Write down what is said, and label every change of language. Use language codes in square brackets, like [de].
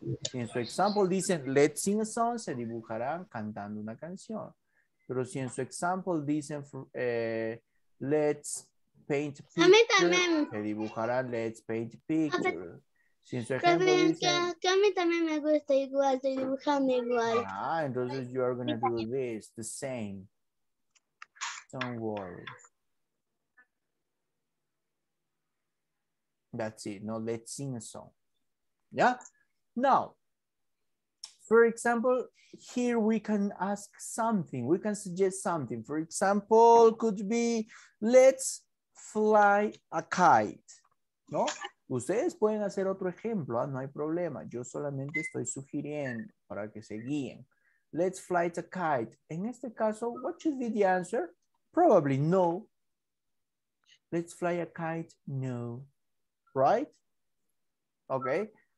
[es] Si en su example dicen, [en] let's sing a song, [es] se dibujarán cantando una canción. Pero si en su example dicen, [en] let's paint a picture, [es] a mí también. Se dibujarán, [en] let's paint a picture. [es] Si en su ejemplo también, dicen, que a mí también me gusta igual, estoy dibujando igual. Ah, entonces [en] you are going to do this, the same. Don't worry. That's it. Now let's sing a song. Yeah? Now. For example, here we can ask something. We can suggest something. For example, could be, let's fly a kite. [es] ¿No? Ustedes pueden hacer otro ejemplo. ¿Ah? No hay problema. Yo solamente estoy sugiriendo para que se guíen. [en] Let's fly a kite. [es] En este caso, [en] what should be the answer? Probably no. Let's fly a kite. No. Right? Okay.